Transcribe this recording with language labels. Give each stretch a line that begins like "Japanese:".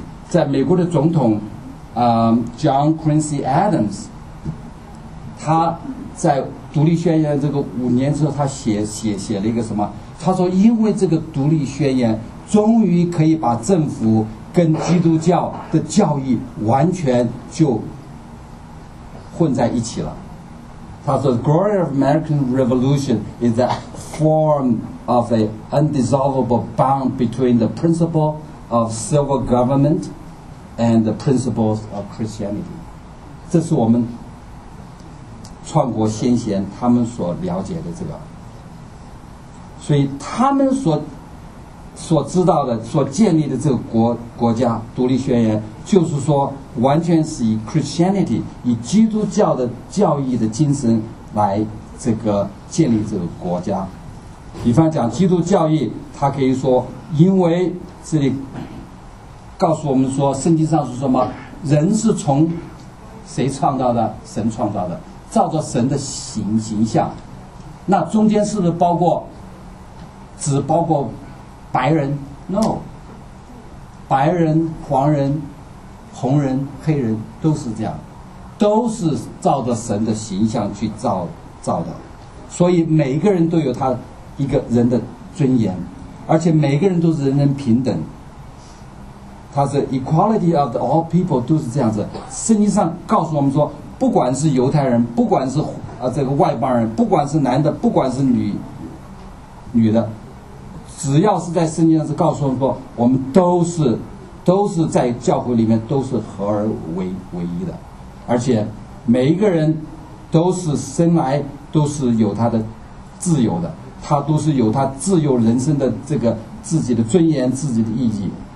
Chinese: 在美国的总统John Quincy Adams， 他在独立宣言这个五年之后，他写了一个什么，他说因为这个独立宣言终于可以把政府跟基督教的教义完全就混在一起了。他说
English: The glory of American Revolution is the form of an undissolvable bond between the principle of civil governmentand the principles of Christianity。
Chinese: 这是我们创国先贤他们所了解的这个，所以他们所知道的所建立的这个国家独立宣言，就是说完全是以 Christianity， 以基督教的教义的精神来这个建立这个国家。比方讲基督教义，他可以说因为这里告诉我们说，圣经上是什么？人是从谁创造的？神创造的，照着神的形象。那中间是不是包括只包括白人 ？No， 白人、黄人、红人、黑人都是这样，都是照着神的形象去造的。所以每一个人都有他一个人的尊严，而且每个人都是人人平等。它是
English: equality of all people，
Chinese: 都是这样子。圣经上告诉我们说，不管是犹太人，不管是这个外邦人，不管是男的，不管是女的，只要是在圣经上是告诉我们说，我们都是在教会里面都是合而为一的，而且每一个人都是生来都是有他的自由的，他都是有他自由人生的这个自己的尊严、自己的意义。